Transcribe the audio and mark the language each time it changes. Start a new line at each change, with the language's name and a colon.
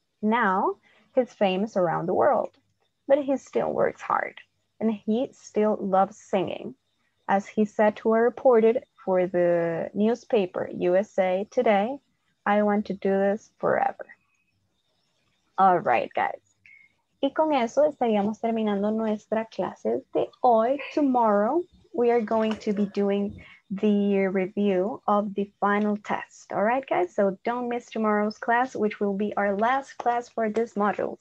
English: Now, he's famous around the world, but he still works hard, and he still loves singing. As he said to a reporter for the newspaper USA Today, I want to do this forever. All right, guys.
Spanish: Y con eso estaríamos terminando nuestra clase de hoy.
English: Tomorrow, we are going to be doing the review of the final test. All right, guys? So don't miss tomorrow's class, which will be our last class for this module.